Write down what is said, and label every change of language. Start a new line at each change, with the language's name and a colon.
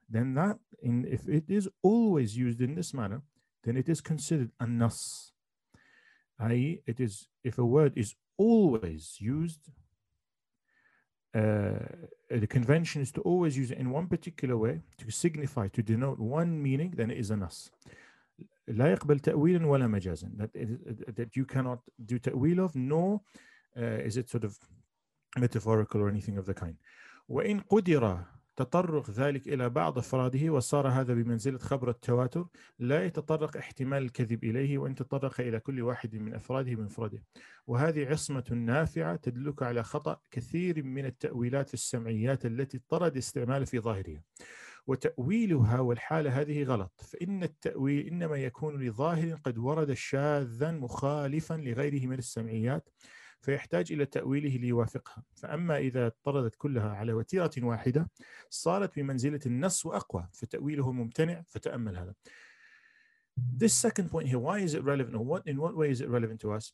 English: Then that, in, if it is always used in this manner, then it is considered a nas. I.e., it is, if a word is always used, the convention is to always use it in one particular way to signify, to denote one meaning, then it is a nas.
Arabic: لا يقبل تأويلا ولا مجازا.
English: That you cannot do ta'wil of, nor is it sort of metaphorical or anything of the kind.
Arabic: وإن قدر تطرق ذلك إلى بعض أفراده وصار هذا بمنزلة خبر التواتر لا يتطرق احتمال الكذب إليه وإن تطرق إلى كل واحد من أفراده بمفرده. وهذه عصمة نافعة تدلك على خطأ كثير من التأويلات السمعيات التي طرد استعمال في ظاهرها وتأويلها والحالة هذه غلط. فإن التأويل إنما يكون لظاهر قد ورد شاذا مخالفا لغيره من السمعيات فيحتاج إلى تأويله ليوافقها. فأما إذا طردت كلها على وتيرة واحدة صارت بمنزلة النص وأقوى فتأويله ممتنع. فتأمل هذا.
English: This second point here, why is it relevant? Or what, in what way is it relevant to us?